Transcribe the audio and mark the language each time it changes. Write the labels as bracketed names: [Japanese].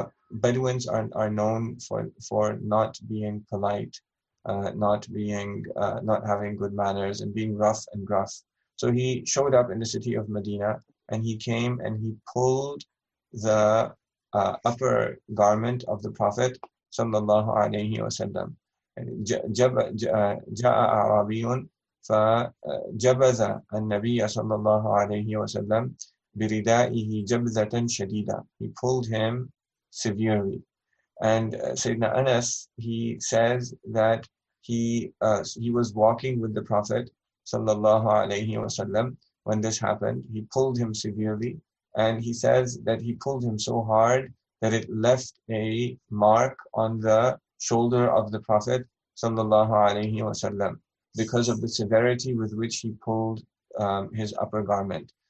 [English] Bedouins are known for not being polite, not having good manners and being rough and gruff. So he showed up in the city of Medina, and he came and he pulled the upper garment of the Prophet sallallahu alaihi wasallam. [Arabic] جَاءَ أَعْرَابِيٌّ فَجَبَذَ النَّبِيَّ sallallahu alaihi wasallam بِرِدَائِهِ جَبْذَةً شَدِيدًا. [English] He pulled him severely. And Sayyidina Anas, he says that he was walking with the Prophet sallallahu alayhi wa sallam when this happened. He pulled him severely, and he says that he pulled him so hard that it left a mark on the shoulder of the Prophet sallallahu alayhi wa sallam because of the severity with which he pulled his upper garment.